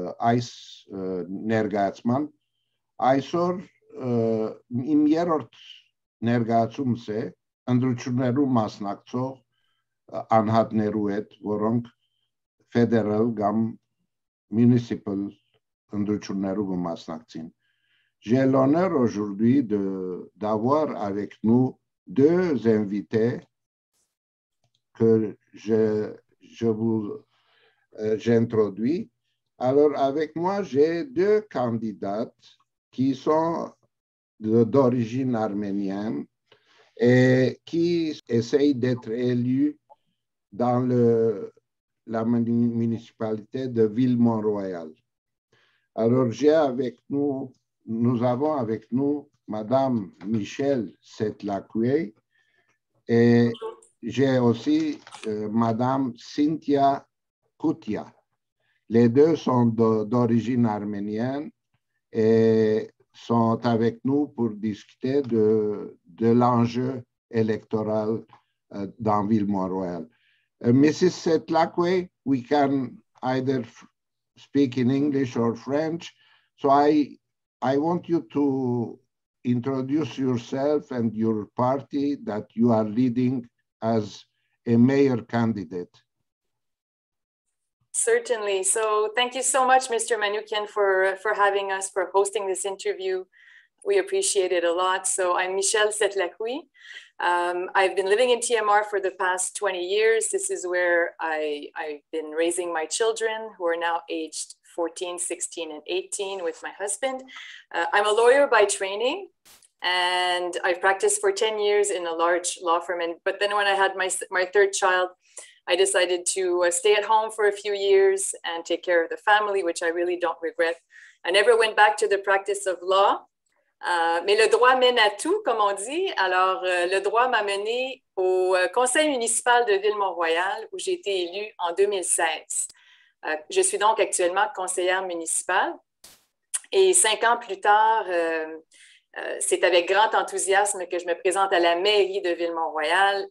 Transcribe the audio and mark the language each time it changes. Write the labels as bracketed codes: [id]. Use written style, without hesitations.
[hy] այս ներգացման այսօր իմ երրորդ ներգացումս է ընդրություններու մասնակցող անհատներու հետ, որոնք ֆեդերալ կամ մունիցիպալ ընդրություններու մասնակցին։ [fr] J'ai l'honneur aujourd'hui d'avoir avec nous deux invités que j'introduis. Alors avec moi, j'ai deux candidates qui sont d'origine arménienne et qui essayent d'être élus dans la municipalité de Ville-Mont-Royal. Alors nous avons avec nous Madame Michèle Setlakwe et j'ai aussi Madame Cynthia Coutya. Les deux sont d'origine arménienne et sont avec nous pour discuter de l'enjeu électoral dans Ville-Mont-Royal. [en] Mrs. Setlakwe, we can either speak in English or French, so I want you to introduce yourself and your party that you are leading as a mayor candidate. Certainly. So thank you so much, Mr. Manoukian, for having us, for hosting this interview. We appreciate it a lot. So I'm Michèle Setlakwe. I've been living in TMR for the past 20 years. This is where I've been raising my children, who are now aged 14, 16, and 18 with my husband. I'm a lawyer by training, and I've practiced for 10 years in a large law firm. But then when I had my third child, I decided to stay at home for a few years and take care of the family, which I really don't regret. I never went back to the practice of law. [fr] Mais le droit mène à tout, comme on dit. Alors, le droit m'a mené au conseil municipal de Ville-Mont-Royal, où j'ai été élue en 2016. Je suis donc actuellement conseillère municipale. Et 5 ans plus tard, c'est avec grand enthousiasme que je me présente à la mairie de Ville-Mont-Royal.